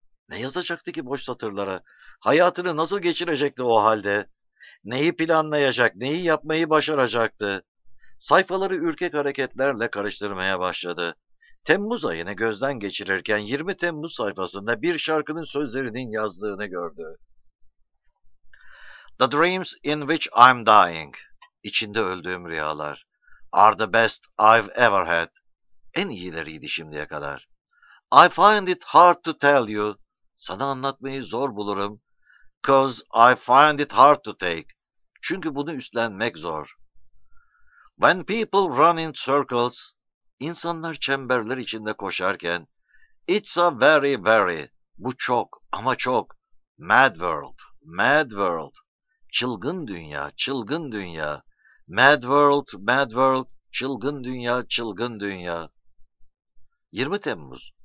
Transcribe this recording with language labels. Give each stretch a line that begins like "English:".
Turkish: Ne yazacaktı ki boş satırlara? Hayatını nasıl geçirecekti o halde? Neyi planlayacak, neyi yapmayı başaracaktı? Sayfaları ürkek hareketlerle karıştırmaya başladı. Temmuz ayını gözden geçirirken 20 Temmuz sayfasında bir şarkının sözlerinin yazdığını gördü.
English: The dreams in which I'm dying.
Turkish: İçinde öldüğüm rüyalar.
English: Are the best I've ever had.
Turkish: En iyileriydi şimdiye kadar.
English: I find it hard to tell you.
Turkish: Sana anlatmayı zor bulurum.
English: Cause I find it hard to take.
Turkish: Çünkü bunu üstlenmek zor.
English: When people run in circles.
Turkish: İnsanlar çemberler içinde koşarken.
English: It's a very very.
Turkish: Bu çok ama çok.
English: Mad world. Mad world.
Turkish: Çılgın dünya. Çılgın dünya.
English: Mad world. Mad world.
Turkish: Çılgın dünya. Çılgın dünya. 20 Temmuz.